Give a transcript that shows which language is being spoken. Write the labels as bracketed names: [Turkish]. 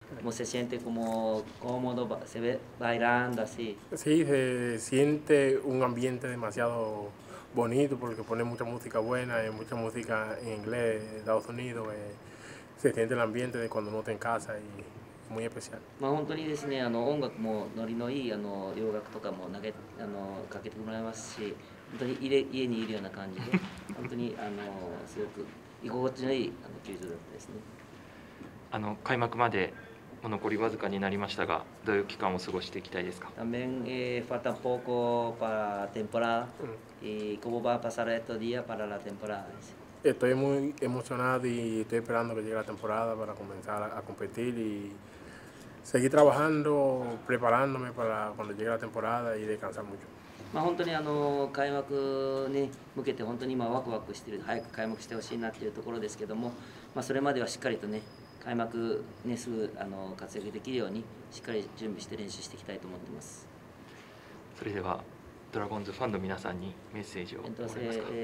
[Spanish] Se siente como cómodo, se ve bailando así. Sí, se siente un ambiente demasiado bonito porque pone mucha música buena y mucha música en inglés, Estados Unidos. Se siente el ambiente de cuando uno está en casa y es muy especial. [Japanese] まあ本当にですね、音楽もノリのいい洋楽とかも投げ、かけてもらいますし、本当に家にいるような感じで、本当にすごく居心地のいい球場だったですね。開幕まで残りわずかになりましたが、どういう期間を過ごしていきたいですか？ [Spanish] También falta un poco para temporada y cómo va a pasar estos días para la temporada. Estoy muy emocionado y estoy esperando que llegue la temporada para comenzar a competir y seguir trabajando, preparándome para cuando llegue la temporada y descansar mucho. [Japanese] まあ本当に開幕に向けて本当に今ワクワクしてる、早く開幕してほしいなっていうところですけども、まあそれまではしっかりとね。開幕ね、すぐ活躍できるようにしっかり準備して練習していきたいと思ってます。それではドラゴンズファンの皆さんにメッセージをお願いします。